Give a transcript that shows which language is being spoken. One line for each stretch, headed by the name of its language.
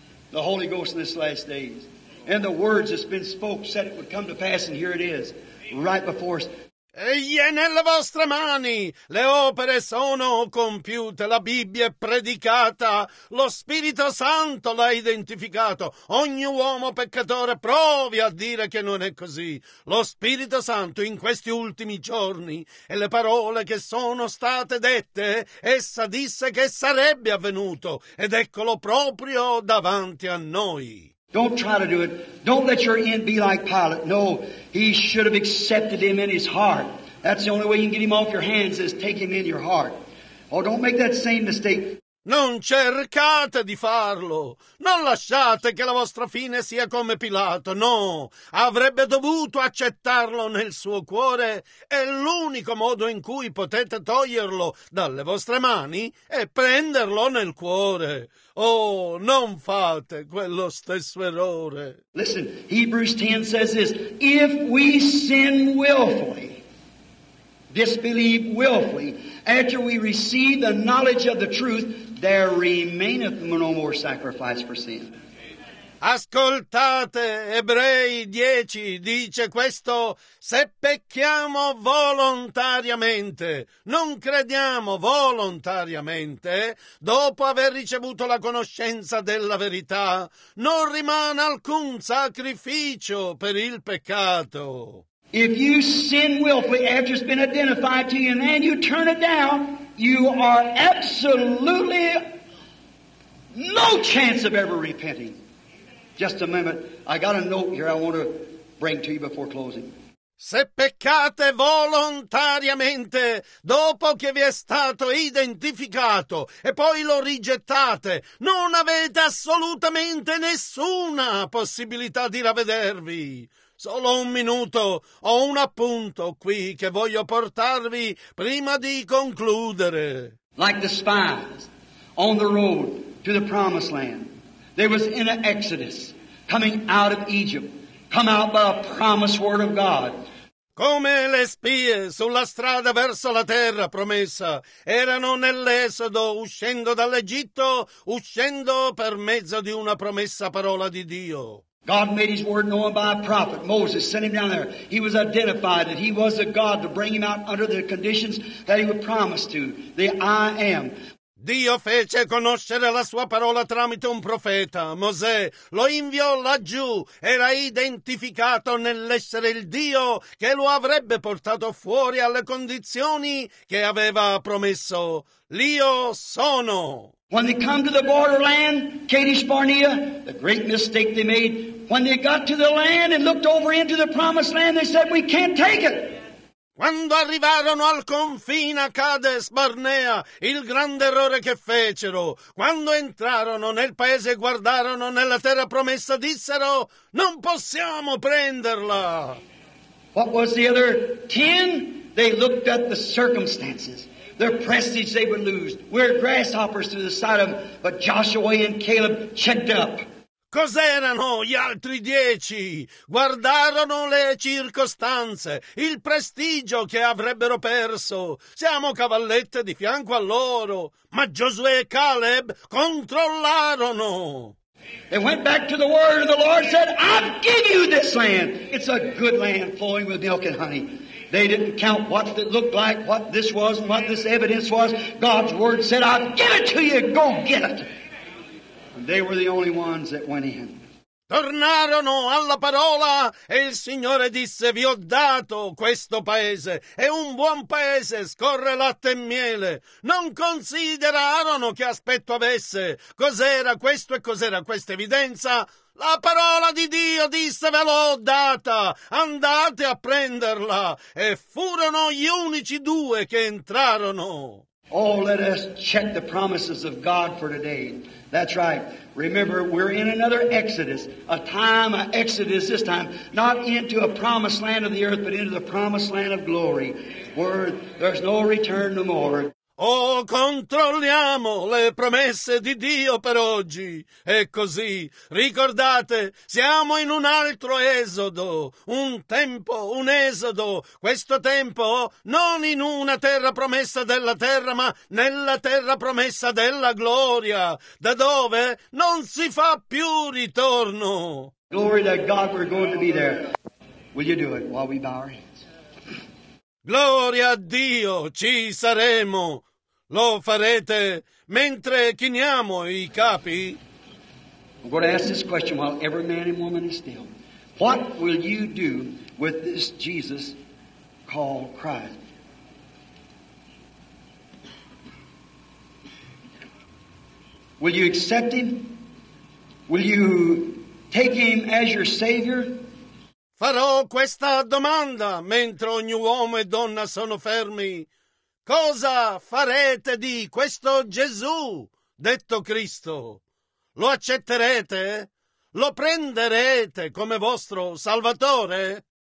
English: The Holy Ghost in this last days. And the words that's been spoke said it would come to pass, and here it is, right before us.
Italian: Egli è nelle vostre mani, le opere sono compiute, la Bibbia è predicata, lo Spirito Santo l'ha identificato. Ogni uomo peccatore provi a dire che non è così. Lo Spirito Santo in questi ultimi giorni e le parole che sono state dette, essa disse che sarebbe avvenuto, ed eccolo proprio davanti a noi.
English: Don't try to do it. Don't let your end be like Pilate. No, he should have accepted him in his heart. That's the only way you can get him off your hands is take him in your heart. Oh, don't make that same mistake.
Italian: Non cercate di farlo. Non lasciate che la vostra fine sia come Pilato. No, avrebbe dovuto accettarlo nel suo cuore. È l'unico modo in cui potete toglierlo dalle vostre mani e prenderlo nel cuore. Oh, non fate quello stesso errore.
English: Listen, Hebrews 10 says this: if we sin willfully, disbelieve willfully, after we receive the knowledge of the truth, there remaineth no more sacrifice for sin.
Italian: Ascoltate, Ebrei 10 dice questo: se pecchiamo volontariamente, non crediamo volontariamente, dopo aver ricevuto la conoscenza della verità, non rimane alcun sacrificio per il peccato.
English: If you sin willfully after it's been identified to you and then you turn it down, you are absolutely no chance of ever repenting. Just a moment, I got a note here I want to bring to you before closing.
Italian: Se peccate volontariamente, dopo che vi è stato identificato e poi lo rigettate, non avete assolutamente nessuna possibilità di ravvedervi. Solo un minuto, ho un appunto qui che voglio portarvi prima di concludere.
English: Like the spies on the road to the promised land, there was in an exodus. Coming out of Egypt, come out by a promised word of God.
Italian: Come le spie sulla strada verso la terra promessa, erano nell'esodo, uscendo dall'Egitto, uscendo per mezzo di una promessa parola di Dio.
English: God made his word known by a prophet. Moses sent him down there. He was identified that he was a God to bring him out under the conditions that he would promise to. The I am.
Italian: Dio fece conoscere la sua parola tramite un profeta, Mosè, lo inviò laggiù, era identificato nell'essere il Dio che lo avrebbe portato fuori alle condizioni che aveva promesso. L'Io sono.
English: When they come to the borderland, Kadesh Barnea, the great mistake they made, when they got to the land and looked over into the promised land, they said, we can't take it.
Italian: Quando arrivarono al confine a Cades Barnea, il grande errore che fecero, quando entrarono nel paese e guardarono nella terra promessa, dissero, non possiamo prenderla.
English: What was the other ten? They looked at the circumstances, their prestige they would lose. We're grasshoppers to the side of them, but Joshua and Caleb checked up.
Italian: Cos'erano gli altri dieci? Guardarono le circostanze, il prestigio che avrebbero perso. Siamo cavallette di fianco a loro. Ma Giosuè e Caleb controllarono.
English: They went back to the word of the Lord and said, I've given you this land. It's a good land flowing with milk and honey. They didn't count what it looked like, what this was, what this evidence was. God's word said, I've given it to you, go get it. They were the only ones that went in.
Italian: Tornarono alla parola e il Signore disse, vi ho dato questo paese, è un buon paese, scorre latte e miele. Non considerarono che aspetto avesse, cos'era questo e cos'era questa evidenza. La parola di Dio disse, ve l'ho data, andate a prenderla. E furono gli unici due che entrarono.
English: Oh, let us check the promises of God for today. That's right. Remember, we're in another exodus, a time, an exodus this time, not into a promised land of the earth, but into the promised land of glory, where there's no return no more.
Italian: Oh, controlliamo le promesse di Dio per oggi. E così, ricordate, siamo in un altro esodo, un tempo, un esodo. Questo tempo non in una terra promessa della terra, ma nella terra promessa della gloria, da dove non si fa più ritorno.
English: Glory to God, we're going to be there. Will you do it while we bow our heads?
Italian: Gloria a Dio, ci saremo. Lo farete mentre chiniamo i capi?
English: I'm going to ask this question while every man and woman is still. What will you do with this Jesus called Christ? Will you accept him? Will you take him as your Savior?
Italian: Farò questa domanda mentre ogni uomo e donna sono fermi. Cosa farete di questo Gesù, detto Cristo? Lo accetterete? Lo prenderete come vostro Salvatore?